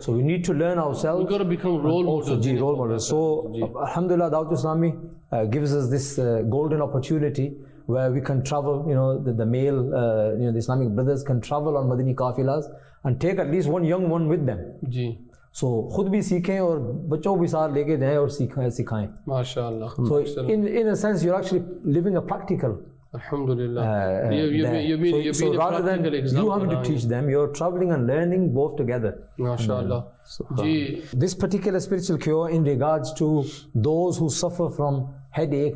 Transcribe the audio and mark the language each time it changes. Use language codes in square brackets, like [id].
[en] So we need to learn ourselves. We've got to become role models. Also, role models. So, Alhamdulillah, Dawud Islami gives us this golden opportunity where we can travel, you know, the male, you know, the Islamic brothers can travel on Madini Kafilas and take at least one young one with them. [ur] Ji. So, خود بھی سیکھیں اور بچوں بھی ساتھ لے کے جائیں اور سکھائیں. [ar] MashaAllah. [en] So, in a sense, you're actually living a practical. [ar] Alhamdulillah. [en] You're being a practical example. You have to teach them. You're traveling and learning both together. [ar] MashaAllah. [en] This particular spiritual cure in regards to those who suffer from headache.